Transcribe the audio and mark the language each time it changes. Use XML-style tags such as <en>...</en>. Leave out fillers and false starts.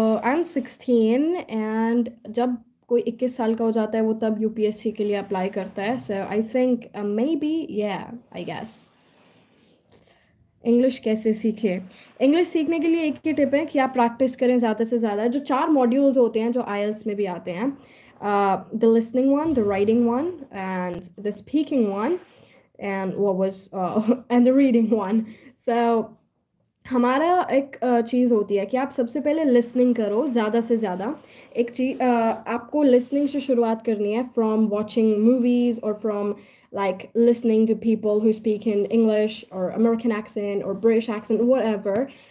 <en>I'm 16 and</en> <hi>जब कोई 21 साल का हो जाता है वो तब UPSC के लिए अप्लाई करता है</hi> <en>So I think maybe, yeah, I guess.</en> <hi>English कैसे सीखें इंग्लिश सीखने के लिए एक ही टिप है कि आप प्रैक्टिस करें ज़्यादा से ज़्यादा जो 4 मॉड्यूल्स होते हैं जो आईएल्स में भी आते हैं</hi> <en>The listening one, the writing one, and the speaking one, and what was and the reading one.</en> <hi>So हमारा एक चीज़ होती है कि आप सबसे पहले लिसनिंग करो ज़्यादा से ज़्यादा. एक चीज़ आपको लिसनिंग से शुरुआत करनी है,</hi> <en>from watching movies</en> <hi>और</hi> <en>from like listening to people who speak in English</en> <hi>और अमेरिकन एक्सेंट और ब्रिटिश एक्सेंट, वट एवर.</hi>